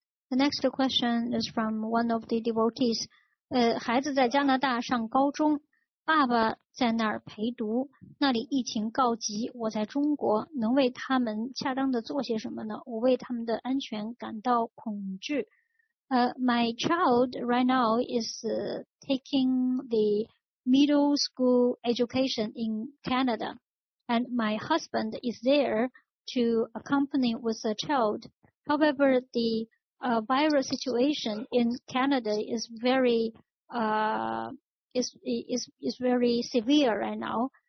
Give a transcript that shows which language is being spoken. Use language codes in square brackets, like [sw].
[en] The next question is from one of the devotees. [zh] 孩子在加拿大上高中，爸爸在那儿陪读。那里疫情告急，我在中国，能为他们恰当的做些什么呢？我为他们的安全感到恐惧。 [en] My child right now is taking the middle school education in Canada, and my husband is there to accompany with the child. However, the virus situation in Canada is very severe right now.